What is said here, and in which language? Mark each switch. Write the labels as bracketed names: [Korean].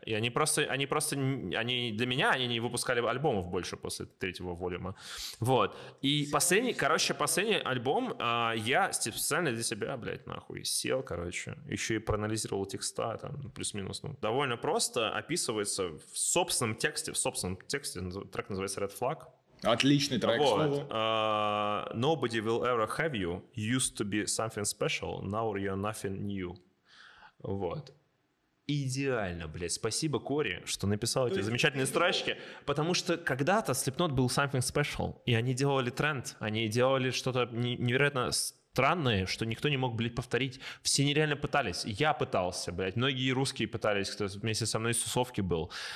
[Russian] И они для меня они не выпускали альбомов больше после третьего волюма. Вот. И последний альбом я специально для себя, блядь, нахуй, сел, короче, еще и проанализировал текста, там, плюс-минус, ну, довольно просто описывается в собственном тексте, трек называется Red Flag. Отличный трек, вот. Слово. [English] Nobody will ever have you, used to be something special, now you're nothing new. [Russian] Вот. Идеально, блядь. Спасибо Кори, что написал эти замечательные строчки, потому что когда-то Slipknot был [English] something special, [Russian] и они делали тренд, они делали что-то невероятно странное, что никто не мог, блядь, повторить. Все нереально пытались. Я пытался, блядь. Многие русские пытались, кто вместе со мной из тусовки был.